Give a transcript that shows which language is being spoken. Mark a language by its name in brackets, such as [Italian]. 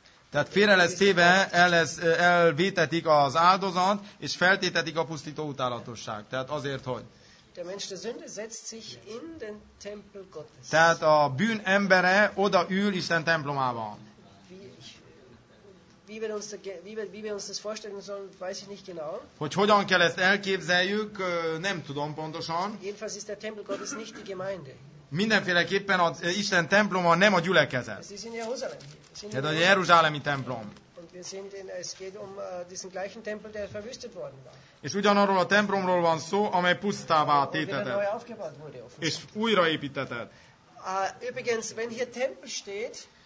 [Hungarian] Tehát félre lesz téve, elvétetik az áldozat, és feltételik a pusztító utálatosság. Tehát azért, hogy. [German] Der Mensch der Sünde setzt sich in den Tempel Gottes. [Hungarian] Tehát a bűn embere oda ül Isten templomában. [German] Wie wir uns das vorstellen sollen, weiß ich nicht genau. [Hungarian] Hogy hogyan kell ezt elképzeljük, nem tudom pontosan. [German] Jedenfalls ist der Tempel Gottes nicht die Gemeinde. [Hungarian] Mindenféleképpen az Isten temploma nem a gyülekezet. [German] Es ist in Jerusalem. [Hungarian] Tehát a jeruzsálemi templom. [German] Und wir sind in, es geht um diesen gleichen Tempel, der verwüstet worden war. [Hungarian] És ugyanarról a templomról van szó, amely pusztává tétetett. És újraépítetett. [German] Übrigens, wenn hier Tempel steht,